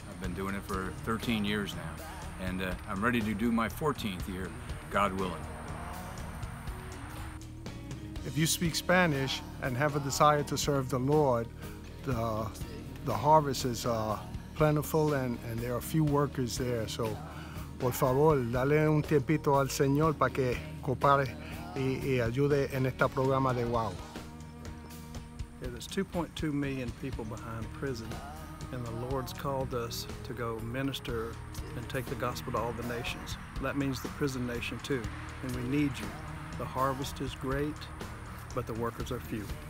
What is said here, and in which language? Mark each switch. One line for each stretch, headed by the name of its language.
English: I've been doing it for 13 years now. And I'm ready to do my 14th year, God willing. If you speak Spanish and have a desire to serve the Lord, the harvest is plentiful and there are few workers there.
Spanish: So, por favor, dale un tiempito al Señor para que coopere y ayude en este programa de WOW.
English: Yeah, there's 2.2 million people behind prison, and the Lord's called us to go minister and take the gospel to all the nations. That means the prison nation too, and we need you. The harvest is great, but the workers are few.